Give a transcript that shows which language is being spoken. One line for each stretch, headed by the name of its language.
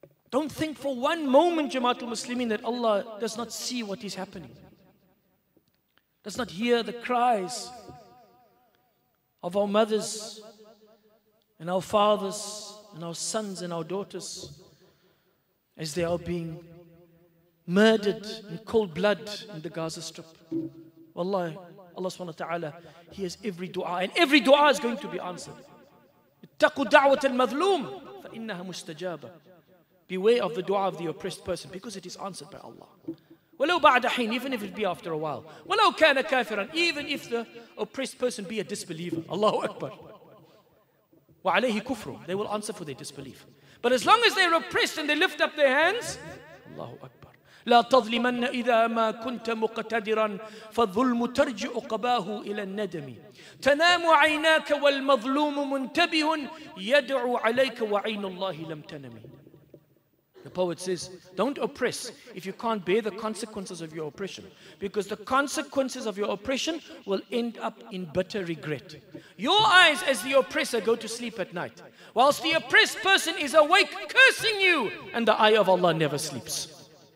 English: Don't think for one moment, Jamaatul Muslimin, that Allah does not see what is happening, does not hear the cries of our mothers and our fathers and our sons and our daughters as they are being murdered in cold blood in the Gaza Strip. Wallahi, Allah subhanahu wa ta'ala hears every dua, and every dua is going to be answered.
Arabic: اتقوا دعوة المظلوم فإنها مستجابة.
English: Beware of the dua of the oppressed person, because it is answered by Allah.
Arabic: ولو بعد حين,
English: even if it be after a while.
Arabic: ولو كان كافرا,
English: even if the oppressed person be a disbeliever. Allahu Akbar.
Arabic: وعليه كفر,
English: they will answer for their disbelief. But as long as they are oppressed and they lift up their hands, Allahu Akbar.
Arabic: لا تظلمن إذا ما كنت مقتدرا فالظلم ترجع قباه إلى الندم تنام عيناك والمظلوم منتبه يدعو عليك وعين الله لم تنم.
English: The poet says, don't oppress if you can't bear the consequences of your oppression, because the consequences of your oppression will end up in bitter regret. Your eyes as the oppressor go to sleep at night, whilst the oppressed person is awake cursing you, and the eye of Allah never sleeps.